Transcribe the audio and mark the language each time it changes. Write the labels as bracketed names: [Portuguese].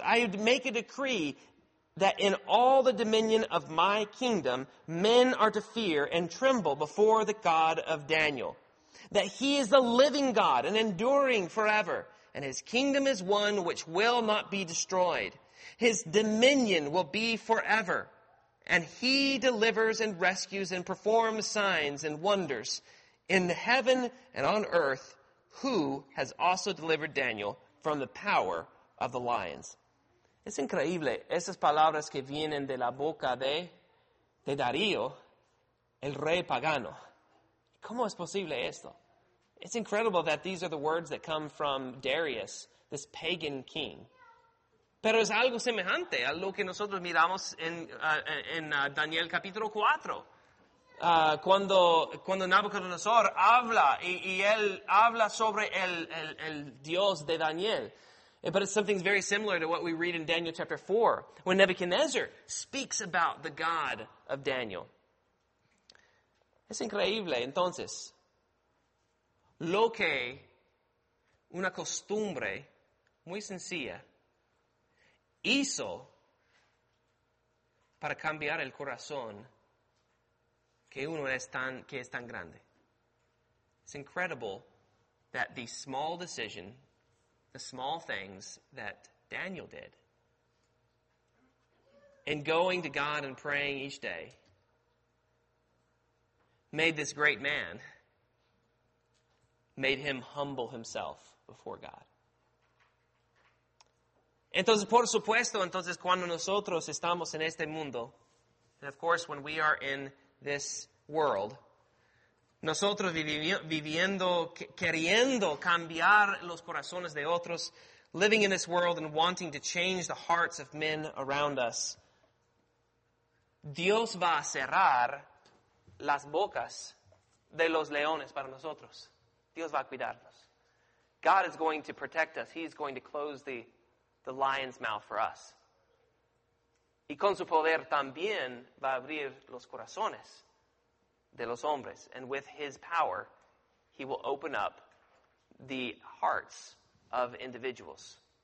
[English] I make a decree that in all the dominion of my kingdom, men are to fear and tremble before the God of Daniel, that he is the living God and enduring forever, and his kingdom is one which will not be destroyed. His dominion will be forever, and he delivers and rescues and performs signs and wonders in heaven and on earth, who has also delivered Daniel from the power of the lions.'" [Spanish] Es increíble esas palabras que vienen de la boca de Darío, el rey pagano. ¿Cómo es posible esto? [English] It's incredible that these are the words that come from Darius, this pagan king. [Spanish] Pero es algo semejante a lo que nosotros miramos en Daniel capítulo 4. cuando Nabucodonosor habla y él habla sobre el Dios de Daniel. [English] But it's something very similar to what we read in Daniel chapter 4, when Nebuchadnezzar speaks about the God of Daniel. [Spanish] Es increíble, entonces, lo que una costumbre muy sencilla hizo para cambiar el corazón que uno es tan, que es tan grande. [English] It's incredible that the small decision, the small things that Daniel did in going to God and praying each day made this great man, made him humble himself before God. [Spanish] Entonces, por supuesto, entonces, cuando nosotros estamos en este mundo, [English] and of course, when we are in this world, [Spanish] nosotros viviendo, queriendo cambiar los corazones de otros, [English] living in this world and wanting to change the hearts of men around us, [Spanish] Dios va a cerrar las bocas de los leones para nosotros. Dios va a cuidarnos. [English] God is going to protect us. He is going to close the lion's mouth for us. [Spanish] Y con su poder también va a abrir los corazones de los hombres. [English] And with his power, he will open up the hearts of individuals.